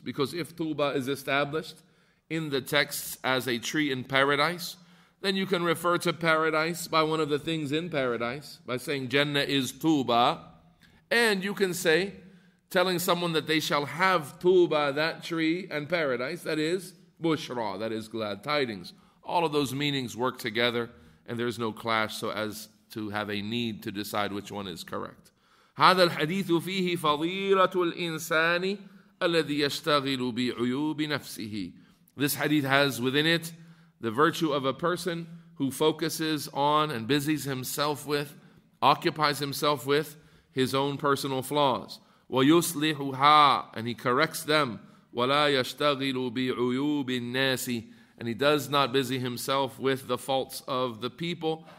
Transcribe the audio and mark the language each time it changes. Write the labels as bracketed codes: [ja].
[en] Because if Tuba is established in the texts as a tree in paradise, then you can refer to paradise by one of the things in paradise, by saying Jannah is Tuba. And you can say, telling someone that they shall have Tuba, that tree, and paradise, that is Bushra, that is glad tidings. All of those meanings work together, and there is no clash so as to have a need to decide which one is correct. [ar] هذا الحديث فيه فضيلة الإنسان الذي يشتغل بعيوب نفسه. [en] This hadith has within it the virtue of a person who focuses on and busies himself with, occupies himself with his own personal flaws. [ar] وَيُصْلِحُهَا, [en] and he corrects them. [ar] وَلَا يَشْتَغِلُ بِعُيُوبِ النَّاسِ, [en] and he does not busy himself with the faults of the people.